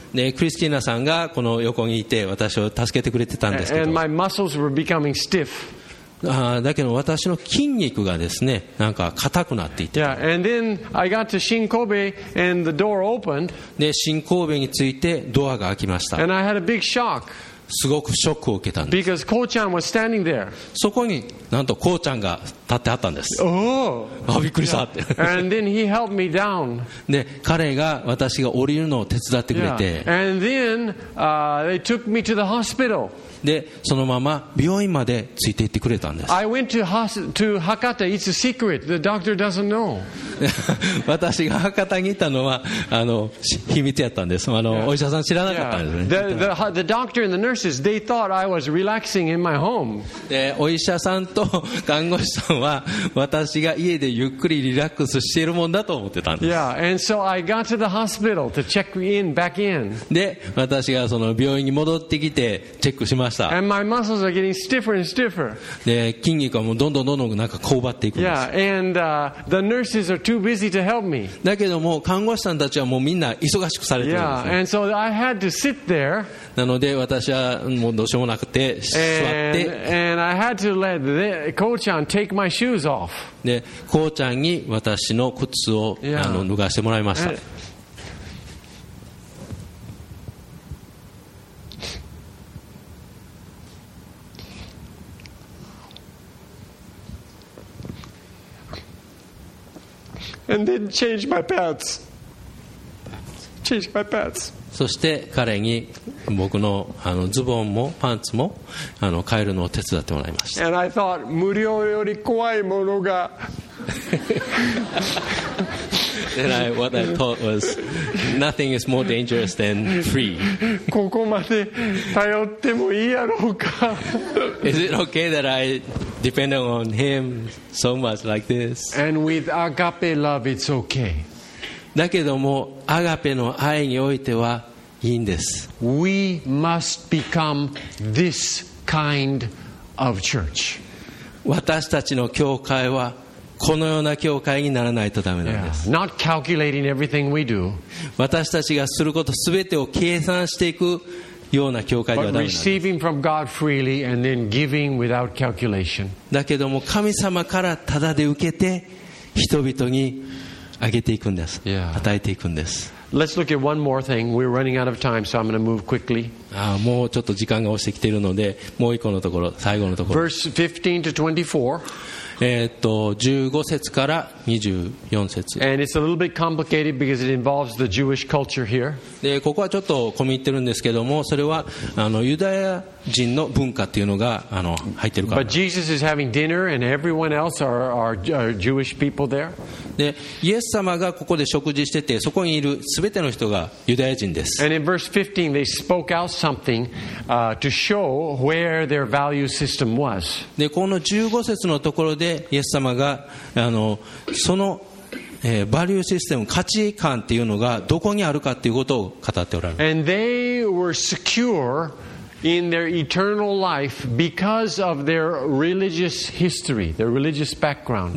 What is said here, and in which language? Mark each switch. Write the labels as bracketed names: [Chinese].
[Japanese] でクリスティーナさんがこの横にいて私を助けてくれてたんですけど、 [English] And my muscles were becoming stiff. [Japanese] だけど私の筋肉がですねなんか硬くなっていて、 [English] yeah, and then I got to 新神戸 and the door opened. [Japanese] で新神戸に着いてドアが開きました。 [English] And I had a big shock. [Japanese] すごくショックを受けたんです。 [English] Because コウちゃん was standing there. [Japanese] そこになんとコウちゃんが立ってあったんです。 [English] Oh. [Japanese] あびっくりしたって、 [English] yeah. And then he helped me down. [Japanese] で彼が私が降りるのを手伝ってくれて、yeah. [English] And then, they took me to the hospital. [Japanese] でそのまま病院までついていってくれたんです。 [English] I went to Hakata. It's a secret. The doctor doesn't know. [Japanese] 私が博多に行ったのは秘密やったんです。お医者さん知らなかったんですね。 [English] yeah. the doctor and the nurses, they thought I was relaxing in my home. [Japanese] でお医者さんと看護師さんは私が家でゆっくりリラックスしているもんだと思ってたんです。 [English] Yeah, and so I got to the hospital to check in back in. [Japanese] で私がその病院に戻ってきてチェックしました。 [English] And my muscles are getting stiffer and stiffer. [Japanese] で筋肉はもうどんどんなんかこわばっていくんです。 [English] Yeah, and the nurses are too busy to help me. [Japanese] だけども看護師さんたちはもうみんな忙しくされてるんです。 [English] Yeah, and so I had to sit there. [Japanese] なので私はもうどうしようもなくて座って [English] and I had to let [Japanese] でコウちゃんに私の靴を、yeah. 脱がしてもらいました。 [English] and then change my pads. [Japanese] そして彼に僕 の, あのズボンもパンツもあの買えるのを手伝ってもらいました。 [English] And I thought, [Japanese] 無料より怖いものが。 [English] And I, what I thought was, nothing is more dangerous than free. [Japanese] ここまで頼ってもいいやろうか。 [English] Is it okay that I depend on him so much like this? And with agape love, it's okay. [Japanese] だけども、アガペの愛においてはいいんです。 [English] We must become this kind of church. [Japanese] 私たちの教会はこのような教会にならないとダメなんです。 [English] Yeah. Not calculating everything we do. [Japanese] 私たちがすることすべてを計算していくような教会ではダメなんです。 [English] But receiving from God freely and then giving without calculation. [Japanese] だけども神様からただで受けて人々にあげていくんです。 [English] Yeah. [Japanese] 与えていくんです。 [English] Let's look at one more thing. We're running out of time, so I'm going to move quickly. [Japanese] ああ、もうちょっと時間が押してきているので、もう一個のところ、最後のところ。 [English] Verse 15 to 24. [Japanese] 15節から24節。 [English] And it's a little bit complicated because it involves the Jewish culture here. [Japanese] で、ここはちょっと込み入ってるんですけども、それはあのユダヤ人の文化っていうのがあの入ってるから。 [English] But Jesus is having dinner, and everyone else are Jewish people there. [Japanese] でイエス様がここで食事しててそこにいるすべての人がユダヤ人です。 [English] And in verse 15, they spoke out something, to show where their value system was. [Japanese] でこの15節のところでイエス様が、あの、その、バリューシステム、価値観っていうのがどこにあるかっていうことを語っておられる。 [English] And they were secure in their eternal life because of their religious history, their religious background.